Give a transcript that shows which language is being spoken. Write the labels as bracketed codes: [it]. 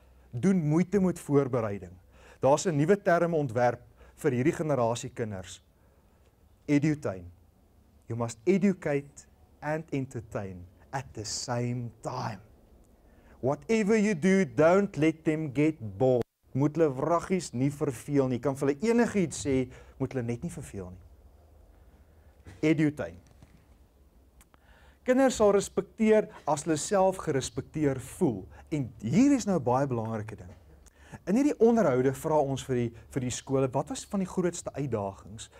[af] Doen moeite met voorbereiding. Daar's 'n nuwe term ontwerp vir hierdie generasie kinders. Edutain. [en] You must educate and entertain at the same time. Whatever you do, don't let them get bored. [af] Moet hulle wraggies nie verveel nie. Kan vir hulle enigiets sê, moet hulle net nie verveel nie. Edutain. Kinders sal respekteer as hulle self gerespekteer voel. En hier is nou baie belangrike ding. In hierdie onderhoude vra ons vir die skole, wat was van die grootste uitdagings?